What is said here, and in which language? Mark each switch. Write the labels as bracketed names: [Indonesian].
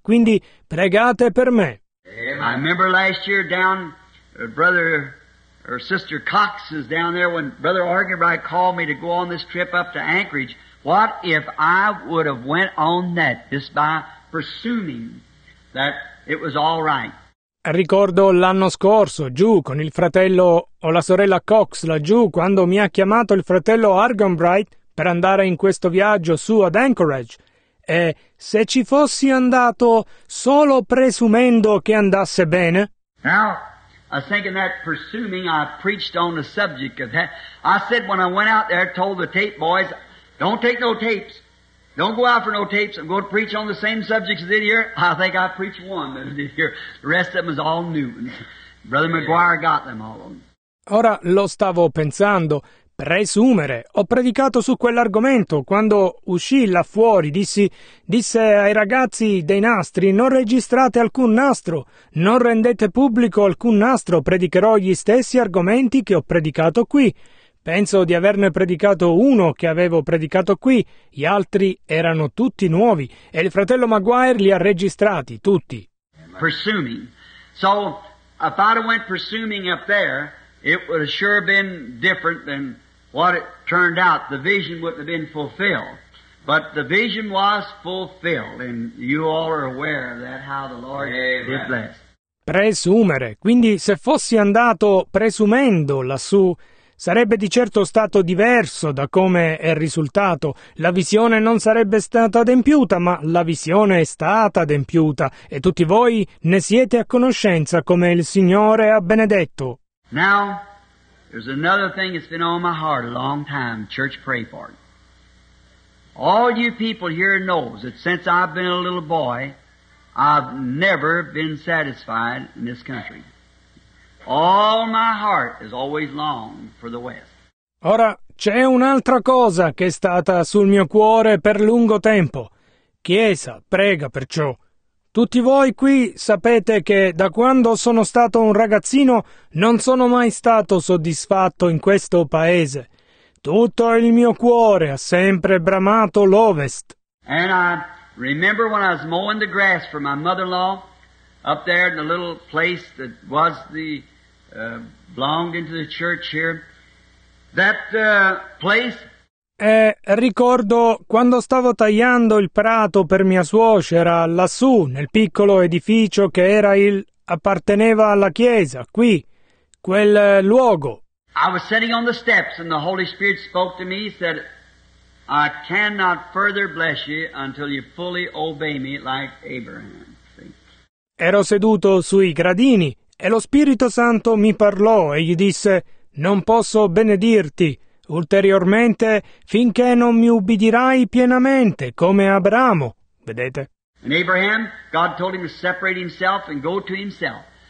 [Italian] Quindi pregate per me. [English] I remember last year down, brother or sister Cox is down there when brother Argenbright called me to go on this trip up to Anchorage. What if I would have went on that just by presuming that it was all right? [Italian] Ricordo l'anno scorso, giù, con il fratello o la sorella Cox laggiù, quando mi ha chiamato il fratello Argenbright per andare in questo viaggio su ad Anchorage. E se ci fossi andato solo presumendo che andasse bene? [English] Now, I was thinking that presuming I preached on the subject of that. I said when I went out there, told the tape boys, don't take no tapes. Don't go out for no tapes. I'm going to preach on the same subject as I did here. I think I preached one that I did here. The rest of them is all new. Brother McGuire got them all. [Italian] Ora lo stavo pensando. Presumere. Ho predicato su quell'argomento. Quando uscì là fuori, disse ai ragazzi dei nastri, non registrate alcun nastro, non rendete pubblico alcun nastro, predicherò gli stessi argomenti che ho predicato qui. Penso di averne predicato uno che avevo predicato qui, gli altri erano tutti nuovi, e il fratello Maguire li ha registrati, tutti. [English] Presuming. So, if I went presuming up there, it would have sure been different than what it turned out. The vision wouldn't have been fulfilled. But the vision was fulfilled, and you all are aware of that, how the Lord did bless. [Italian] Presumere. Quindi se fossi andato presumendo lassù, sarebbe di certo stato diverso da come è risultato. La visione non sarebbe stata adempiuta, ma la visione è stata adempiuta, e tutti voi ne siete a conoscenza come il Signore ha benedetto. [English] Now, there's another thing that's been on my heart a long time. Church, pray for it. All you people here knows that since I've been a little boy, I've never been satisfied in this country. All my heart has always longed for the West. [Italian] Ora, c'è un'altra cosa che è stata sul mio cuore per lungo tempo. Chiesa, prega perciò. Tutti voi qui sapete che da quando sono stato un ragazzino non sono mai stato soddisfatto in questo paese. Tutto il mio cuore ha sempre bramato l'Ovest. [English] And I remember when I was mowing the grass for my mother-in-law up there in the little place that was the belonged into the church here. That place. [Italian] E ricordo quando stavo tagliando il prato per mia suocera lassù nel piccolo edificio che era il apparteneva alla chiesa qui, quel luogo. [English] I was sitting on the steps and the Holy Spirit spoke to me, said, I cannot further bless you until you fully obey me like Abraham. [Italian] Ero seduto sui gradini e lo Spirito Santo mi parlò e gli disse, non posso benedirti ulteriormente finché non mi ubbidirai pienamente come Abramo, vedete? [English] And Abraham, God told him to separate himself and go to himself.